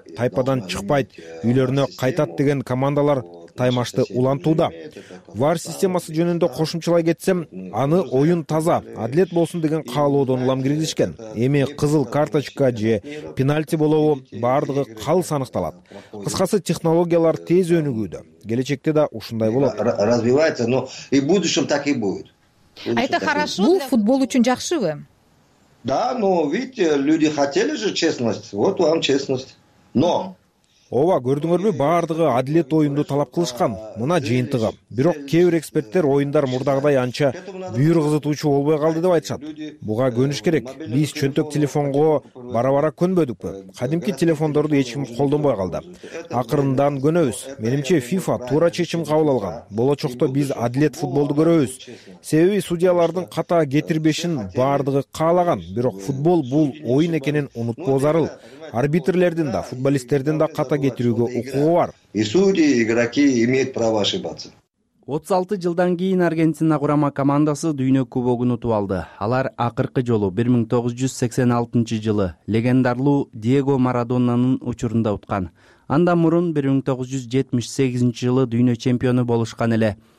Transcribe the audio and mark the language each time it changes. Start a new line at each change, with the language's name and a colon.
Kyrgyz: Тайпадан чыкпайт, үйлөрүнө кайтат деген командалар таймашты улантууда. VAR системасы жөнүндө кошумчалай кетсем, аны оюн таза, адилет болсун деген каалоодон улам киргизишкен. Эми кызыл карточка же пенальти болобу, бардыгы калыс аныкталат. Кыскасы, технологиялар тез өнүгүүдө. Келечекте да ушундай болот.
Russian: Развивается, но и в будущем так и будет. Это хорошо.
Kyrgyz: Бул футбол үчүн жакшыбы?
Russian: Да, но видите, люди хотели же честность. Вот вам честность. Но
Kyrgyz: ооба, көрдүңөрбү, баардыгы адилет оюнду талап кылышкан. Мына жыйынтыгы. Бирок кээ бир эксперттер оюндар мурдагыдай анча бүйүр кызытуучу болбой калды деп айтышат. Буга көнүш керек. Биз чөнтөк телефонго бара-бара көнбөдүкпү? Кадимки телефондорду эч ким колдонбой калды. Акырындан көнөбүз. Менимче FIFA туура чечим кабыл алган. Болочокто биз адилет футболду көрөбүз. Себеби судьялардын ката кетирбешин баардыгы каалаган. Бирок футбол бул оюн экенин унутпоо зарыл. Арбитрлердин да, футболисттердин да ката кетирүүгө укугу бар.
Russian: И судьи, и игроки имеют право ошибаться.
Kyrgyz: 36 жылдан кийин Аргентина курама командасы дүйнө кубогун утуп алды. Алар акыркы жолу 1986 жылы легендарлуу Диего Марадонанын учурунда уткан. Андан мурун 1978 жылы дүйнө чемпиону болушкан эле.